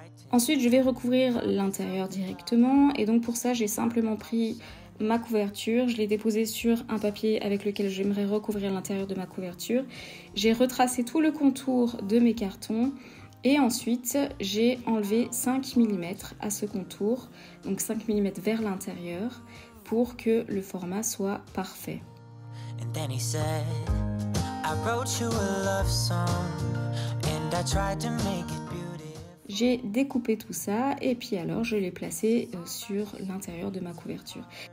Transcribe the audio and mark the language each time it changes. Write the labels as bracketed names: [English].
[French] Ensuite, je vais recouvrir l'intérieur directement et donc pour ça, j'ai simplement pris ma couverture, je l'ai déposée sur un papier avec lequel j'aimerais recouvrir l'intérieur de ma couverture. J'ai retracé tout le contour de mes cartons et ensuite, j'ai enlevé 5 mm à ce contour, donc 5 mm vers l'intérieur pour que le format soit parfait. [English] And then he said, I wrote you a love song and I tried to make it. [French] J'ai découpé tout ça et puis alors je l'ai placé sur l'intérieur de ma couverture.